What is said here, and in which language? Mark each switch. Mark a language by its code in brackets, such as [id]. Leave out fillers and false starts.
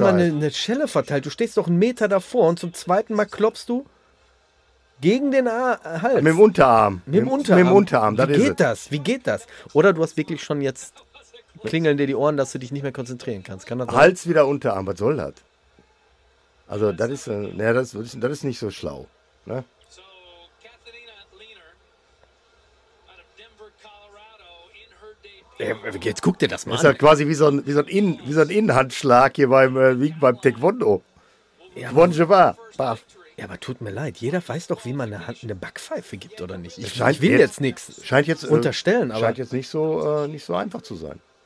[de] Wie man eine Schelle verteilt. Du stehst doch einen Meter davor und zum zweiten Mal klopfst du gegen den Hals. Mit dem Unterarm. Mit dem Unterarm. Das wie geht ist das? Wie geht das? Oder du hast wirklich schon jetzt klingeln dir die Ohren, dass du dich nicht mehr konzentrieren kannst. Kann das Hals sein? Wieder Unterarm, was soll das? Also das ist, naja, das ist nicht so schlau. Ne? [en] So, Katharina Lehner out of Denver, Colorado in her debut. [de] Ey, jetzt guck dir das mal an. Ist halt quasi wie so ein Innenhandschlag hier beim Taekwondo. [fr] Bonjour, [de] paf. Ja, aber tut mir leid, jeder weiß doch, wie man eine Backpfeife gibt oder nicht. Ich will jetzt nichts unterstellen, aber. Scheint jetzt nicht so einfach zu sein.